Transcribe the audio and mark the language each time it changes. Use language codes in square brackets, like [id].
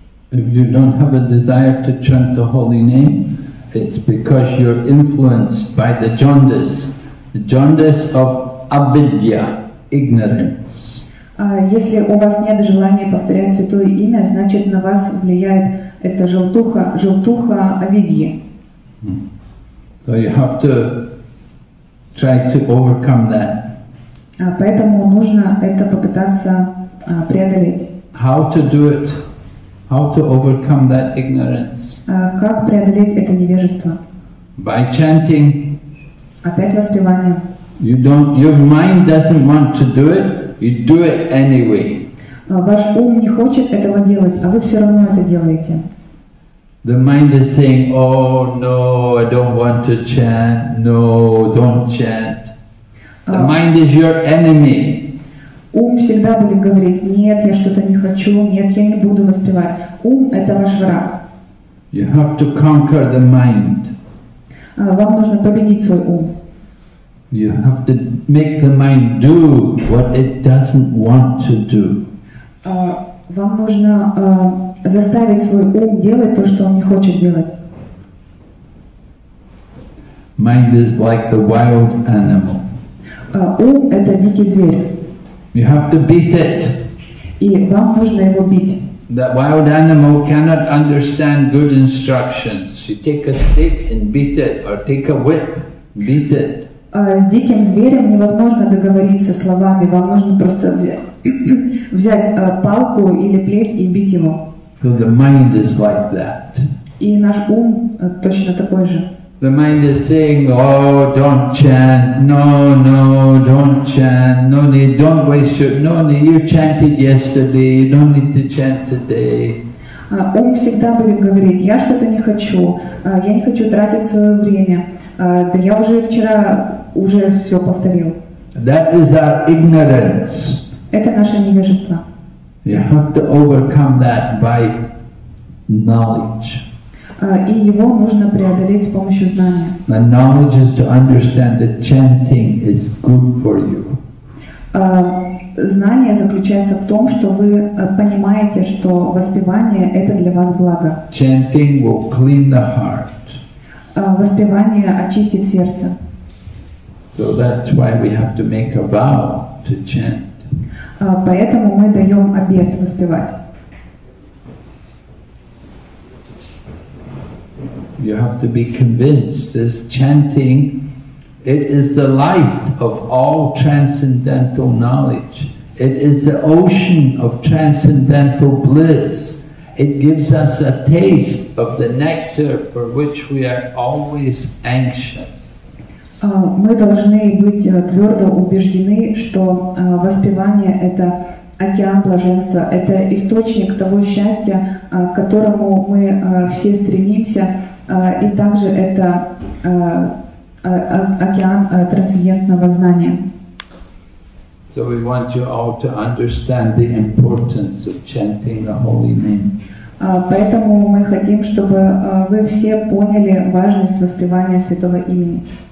[en] If you don't have a desire to chant the holy name, it's because you're influenced by the jaundice of avidya, ignorance. [ru] Если у вас нет желания повторять святое имя, значит на вас влияет это желтуха, желтуха авидьи. [en] So you have to try to overcome that. [ru] Поэтому нужно это попытаться преодолеть. [en] How to do it? How to overcome that ignorance? [ru] Как преодолеть это невежество? [en] By chanting. [ru] Опять воспеванием. [en] Your mind doesn't want to do it, you do it anyway. [ru] Ваш ум не хочет этого делать, а вы все равно это делаете. [en] The mind is saying, oh no, I don't want to chant, no, don't chant. The mind is your enemy. [ru] Ум всегда будет говорить, нет, я что-то не хочу, нет, я не буду воспевать. Ум – это ваш враг. [en] You have to conquer the mind. [ru] Вам нужно победить свой ум. [en] You have to make the mind do what it doesn't want to do. [ru] Вам нужно заставить свой ум делать то, что он не хочет делать. [en] Mind is like the wild animal. [ru] Ум – это дикий зверь. [en] You have to beat it. [ru] И вам нужно его бить. [en] That wild animal cannot understand good instructions. You take a stick and beat it, or take a whip, beat it. [ru] С диким зверем невозможно договориться словами. Вам нужно просто взять палку или плеть и бить его. [en] So the mind is like that. [ru] И наш ум точно такой же. [en] The mind is saying, oh, don't chant, no, no, don't chant, no need, don't waste your, no need, you chanted yesterday, you don't need to chant today. [ru] Ум всегда будет говорить, я что-то не хочу, я не хочу тратить свое время, да я уже вчера уже все повторил. [en] That is our ignorance. [ru] Это наше невежество. [en] You have to overcome that by knowledge. [ru] И его нужно преодолеть с помощью знания. [en] The knowledge is to understand that chanting is good for you. [ru] Знание заключается в том, что вы понимаете, что воспевание – это для вас благо. [en] Chanting will clean the heart. [ru] Воспевание очистит сердце. [en] So that's why we have to make a vow to chant. [ru] Поэтому мы даем обет воспевать. [en] You have to be convinced this chanting, it is the light of all transcendental knowledge. It is the ocean of transcendental bliss. It gives us a taste of the nectar for which we are always anxious. [ru] Мы должны быть твердо убеждены, что воспевание – это океан блаженства, это источник того счастья, к которому мы все стремимся. И также это океан трансцендентного знания. [en] So we want you all to understand the importance of chanting the holy name. [ru] Поэтому мы хотим, чтобы вы все поняли важность воспевания святого имени.